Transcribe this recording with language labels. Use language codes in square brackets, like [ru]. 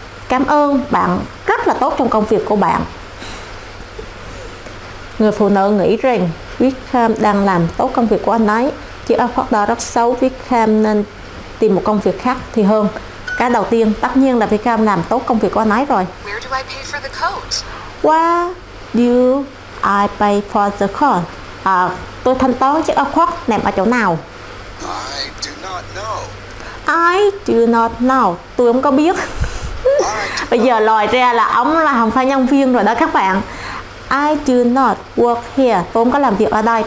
[vi] Cảm ơn, bạn rất là tốt trong công việc của bạn. Người phụ nữ nghĩ rằng Wickham đang làm tốt công việc của anh ấy. Chiếc áo khoác đó rất xấu, Wickham nên tìm một công việc khác thì hơn. Cái đầu tiên, tất nhiên là Wickham làm tốt công việc của anh ấy rồi. [en] Where do I pay for the coat? Where do I pay for the coat? [vi] À, tôi thanh toán chiếc áo khoác nằm ở chỗ nào? [en] I do not know. I do not know. [vi] Tôi không có biết. Bây giờ lòi ra là ông là không phải nhân viên rồi đó các bạn. [en] I do not work here. [vi] Tôi không có làm việc ở đây.